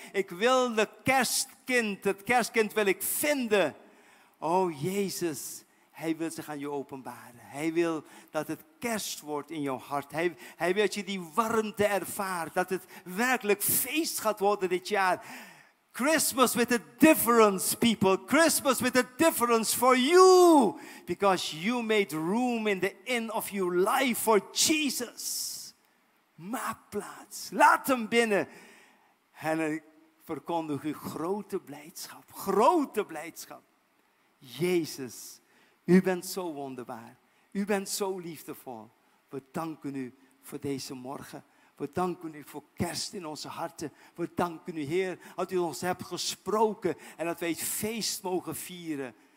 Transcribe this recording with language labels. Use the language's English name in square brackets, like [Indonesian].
[Dutch] Ik wil de kerstkind, het kerstkind wil ik vinden. O Jezus, hij wil zich aan je openbaren. Hij wil dat het kerst wordt in jouw hart. Hij wil dat je die warmte ervaart, dat het werkelijk feest gaat worden dit jaar. [English] Christmas with a difference, people. Christmas with a difference for you. Because you made room in the inn of your life for Jesus. [Dutch] Maak plaats. Laat hem binnen. En ik verkondig u grote blijdschap. Grote blijdschap. Jezus, u bent zo wonderbaar. U bent zo liefdevol. We danken u voor deze morgen. We danken u voor kerst in onze harten. We danken u, Heer, dat u ons hebt gesproken en dat wij het feest mogen vieren.